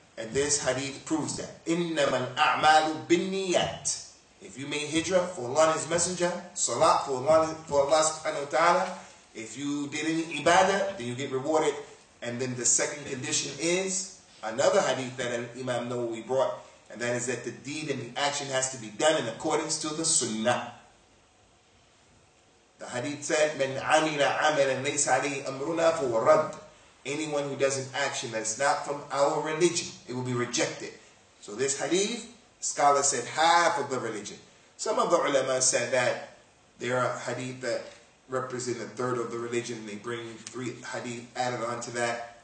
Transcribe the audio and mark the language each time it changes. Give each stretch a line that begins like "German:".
English: And this hadith proves that.
Arabic: إِنَّمَا الْأَعْمَالُ بِالنِّيَّةِ
English: If you made hijrah for Allah and His Messenger, salat for Allah subhanahu wa ta'ala, if you did any ibadah, then you get rewarded. And then the second condition is another hadith that Imam Nawawi brought, and that is that the deed and the action has to be done in accordance to the sunnah. The hadith said,
Arabic: من عمل عمل ليس عليه أمرنا فهو رد.
English: Anyone who does an action that's not from our religion, it will be rejected. So this hadith, scholars said half of the religion. Some of the ulama said that there are hadith that represent a third of the religion, and they bring three hadith added on to that.